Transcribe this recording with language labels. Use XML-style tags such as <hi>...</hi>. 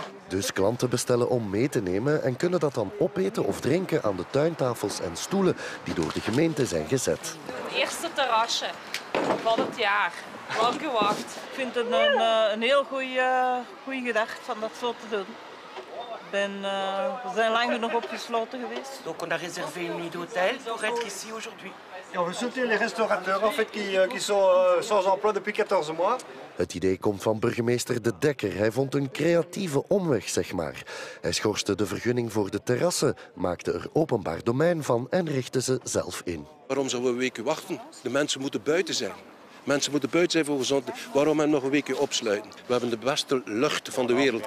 <nl>Dus klanten bestellen om mee te nemen en kunnen dat dan opeten of drinken aan de tuintafels en stoelen die door de gemeente zijn gezet. Het eerste terrasje van het jaar. Wel gewacht. Ik vind het een heel goede gedacht om dat zo te doen. We zijn lang genoeg opgesloten geweest.</nl> <fr>Donc on a réservé un hôtel pour être ici aujourd'hui.</fr> <nl>Ja, we zoeken de restaurateurs</nl> <fr>en fait qui sont sans emploi depuis 14 mois.</fr> <nl>Het idee komt van burgemeester De Dekker. Hij vond een creatieve omweg, zeg maar. Hij schorste de vergunning voor de terrassen, maakte er openbaar domein van en richtte ze zelf in. Waarom zouden we weken wachten? De mensen moeten buiten zijn. Mensen moeten buiten zijn voor gezondheid. Waarom hem nog een weekje opsluiten? We hebben de beste lucht van de wereld.</nl>